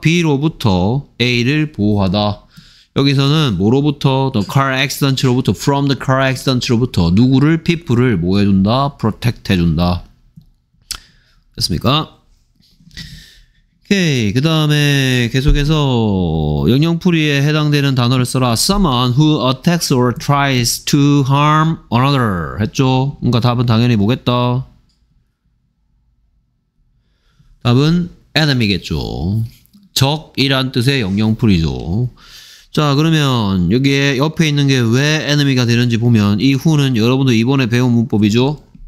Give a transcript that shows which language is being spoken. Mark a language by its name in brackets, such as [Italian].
[Korean] B로부터 A를 보호하다 여기서는 뭐로부터? [English] the car accident로부터 from the car accident로부터 [Korean] 누구를? people를 뭐 해준다? protect 해준다 됐습니까? 오케이. 그 다음에 계속해서 영영풀이에 해당되는 단어를 써라. [English] Someone who attacks or tries to harm another. [Korean] 했죠? 그러니까 답은 당연히 뭐겠다? 답은 enemy겠죠. 적이란 뜻의 영영풀이죠. 자, 그러면 여기에 옆에 있는 게 왜 enemy가 되는지 보면 이 who는 여러분도 이번에 배운 문법이죠?